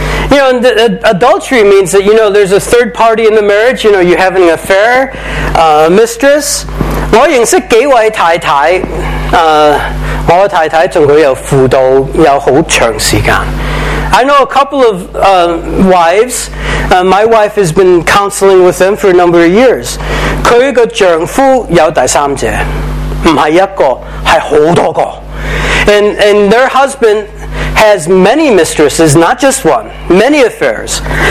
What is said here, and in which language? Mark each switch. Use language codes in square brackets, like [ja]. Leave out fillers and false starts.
[en] You know, adultery means that, you know, there's a third party in the marriage. You know, you're having an affair, mistress. [yue] 我認識幾位太太，我太太仲佢有輔導有好長時間。 [en] I know a couple of wives. My wife has been counseling with them for a number of years. [yue] 佢個丈夫有第三者，唔係一個，係好多個。 [en] And their husband has many mistresses, not just one, many affairs.